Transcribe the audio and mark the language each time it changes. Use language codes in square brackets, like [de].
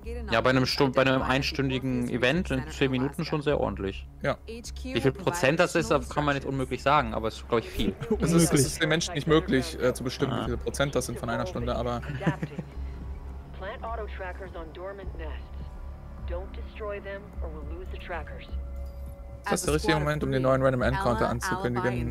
[de] Ja, bei einem einstündigen Event in 10 Minuten schon sehr ordentlich. Ja. Wie viel Prozent das ist, kann man nicht unmöglich sagen, aber es ist, glaube ich, viel. Es ist den Menschen nicht möglich zu bestimmen, wie viel Prozent das sind von einer Stunde, aber... [en] Plant auto trackers on dormant nests. Don't destroy them or we'll lose the trackers. [de] Das ist der richtige Moment, um den neuen Random Encounter anzukündigen.